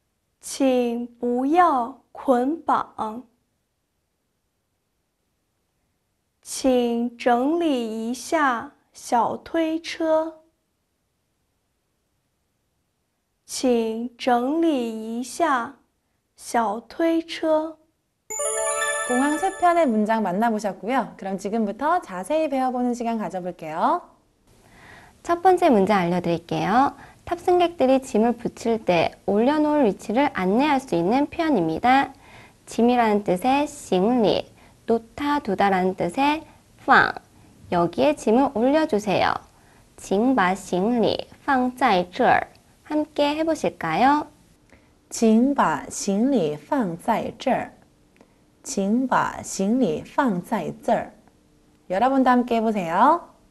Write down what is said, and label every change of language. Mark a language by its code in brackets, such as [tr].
[zh] 请重新包装请重新包装请排成一行请排成一行请不要捆绑请不要 捆绑请整理一下小推车请整理一下小推车 [ko] 공항 세 편의 문장 만나보셨고요. 그럼 지금부터 자세히 배워보는 시간 가져볼게요. 첫 번째 문제 알려드릴게요. 탑승객들이 짐을 붙일 때 올려놓을 위치를 안내할 수 있는 표현입니다. 짐이라는 뜻의 行李, 놓다 두다라는 뜻의 放, 여기에 짐을 올려주세요. [zh] 请把行李放在这儿, [ko] 함께 해보실까요? [zh] 请把行李放在这儿, 请把行李放在这儿. [ko] 여러분도 함께 해보세요.